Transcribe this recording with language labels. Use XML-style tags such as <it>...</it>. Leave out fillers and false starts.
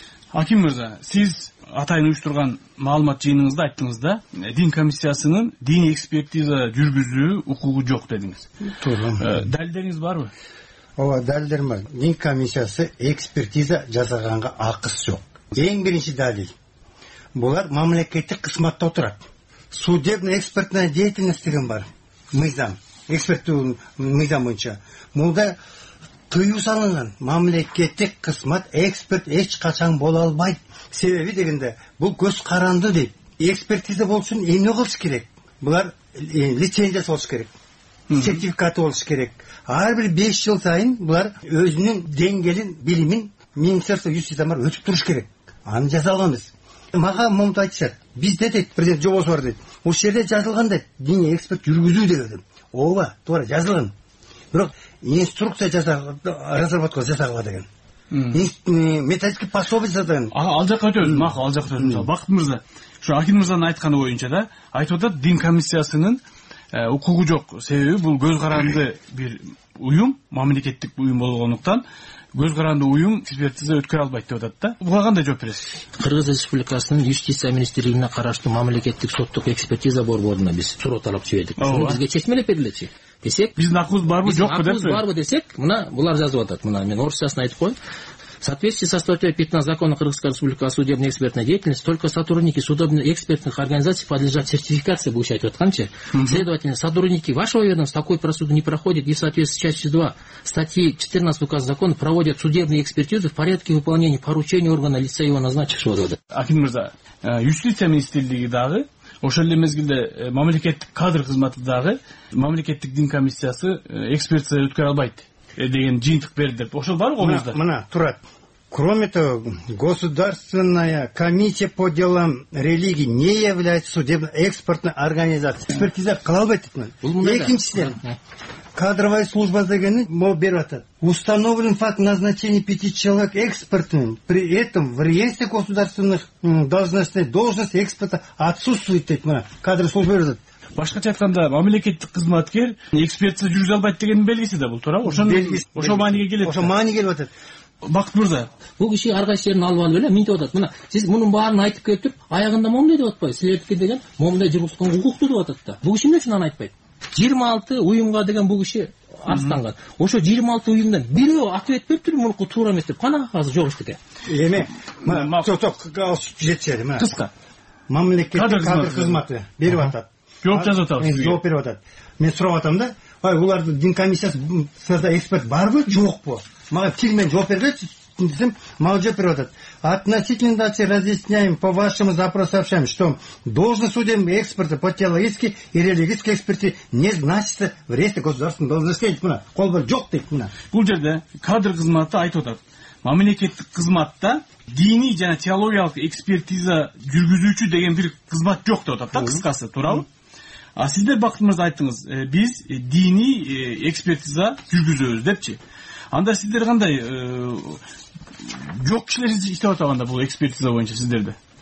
<ky>Аким мырза, сиз атайын уюштурган маалымат жыйыныңызда айттыңыз да, дин комиссиясынын диний экспертиза жүргүзүү укугу жок дедиңиз. Туура. Далилдериңиз барбы? Ооба, далилдерим бар. Дин комиссиясы экспертиза жасаганга акысы жок. Эң биринчи далил. Булар мамлекеттик кызматта отурат. Судебный экспертная деятельность деген бар. Мыйзам. Эксперттүү мыйзам боюнча. Мында тыюу салынган. Мамлекеттик кызмат эксперт эч качан боло албайт. Себеби дегенде, бул көз каранды дейт. Экспертиза болсун, эмне кылыш керек? Булар лицензиясы болуш керек. Сертификаты болуш керек. Ар бир 5 жыл сайын булар өзүнүн деңгээлин, билимин министерство юстициямар өтүп туруш керек. Аны жазалабыз. Мага момунту айтышат, бизде дейт, президент жобосу бар дейт, ушул жерде жазылган дейт, диний эксперт жүргүзүү деп дедим. Ооба, туура жазылган. Бирок инструкция разработка жасагыла деген. Методический пособие жазган. Ал жакка өтөбүз, макул, ал жакка өтөбүз. Бакыт мырза, ушу Акин мырзанын айтканы боюнча да, айтып атат, дин комиссиясынын укугу жок. Себеби бул көз каранды бир уюм, мамлекеттик уюм болгондуктан көз каранды уюм экспертиза өткөрө албайт деп атат да. Буга кандай жооп бересиз? Кыргыз Республикасынын юстиция министрлигине караштуу мамлекеттик соттук экспертиза борборуна биз суроо талап жибердик. Бизге чечмелеп берилечи. Десек, биздин акыбыз барбы, жокпу деп? Акыбыз барбы десек, мына булар жазып атат. Мына мен орусчасын айтып коеюн.</ky> <ru>В соответствии со статьей 15 закона Кыргызской Республики о судебной экспертной деятельности, только сотрудники судебных экспертных организаций подлежат сертификации, получать вот канче. Следовательно, сотрудники вашего ведомства такой процедуры не проходят и в соответствии с частью 2 статьи 14 указа закона проводят судебные экспертизы в порядке выполнения поручения органа лица его назначившего.</ru> <ky>Акин мырза, юстиция министрлиги дагы, ошол эле мезгилде мамлекеттик кадр кызматы дагы, мамлекеттик дин комиссиясы экспертиза өткөрө албайт деген жыйынтык берди деп. Ошол барбы колуңузда? Мына турат.</ky> <ru>Кроме того, Государственная комиссия по делам религии не является судебной экспертной организацией.</ru> <ky>Экспертиза кыла албайт деп. Экинчиден, кадровая служба дегени могу берип атат.</ky> <ru>Установлен факт назначения 5 человек экспертным. При этом в реестре государственных должностей эксперта отсутствует</ru> <ky>деп. Мына кадровая служба берип атат. Башкача айтканда мамлекеттик кызматкер экспертиза жүргүзө албайт дегендин белгиси да бул, туурабы? Ошол мааниге келет. Ошол мааниге келип атат. Бакыт мырза, бул киши ар кайсы жерин алып алып эле минтип атат. Мына сиз мунун баарын айтып кетип, аягында момундай деп атпайбы? Силердики деген момундай жүргүзгөн укуктуу деп атат да. Бул киши эмне үчүн аны айтпайт? 26 уюмга деген бул киши арызданган. Ошо 26 уюмдан бирөө ответ бериптир мунку туура эмес деп. Кана азыр жок иштике. Эми жок, жетишеди мына. Кыска. Мамлекеттик кадр кызматы берип атат. Жооп жазып атабыз. Жооп берип атат. Мен сурап атам да, булардын дин комиссиясы сөздө эксперт барбы, жокпу? Мага тил менен жооп бербечи десем, мага жооп берип атат.</ky> <ru>Относительно дачи разъясняем по вашему запросу сообщаем, что должность судебного эксперта по теологической и религиозной экспертизе не значится в реестре государственных должностей.</ru> <ky>Мына кол бар жок дейт мына. Бул жерде кадр кызматы айтып атат. Мамлекеттик кызматта диний жана теологиялык экспертиза жүргүзүүчү деген бир кызмат жок деп атат да, кыскасы, туурабы? А сиздер Бакыт мырза айттыңыз, биз диний экспертиза жүргүзөбүз депчи. Анда сиздер кандай жок кишилер иштеп атабыз анда бул экспертиза боюнча сиздерде?</ky>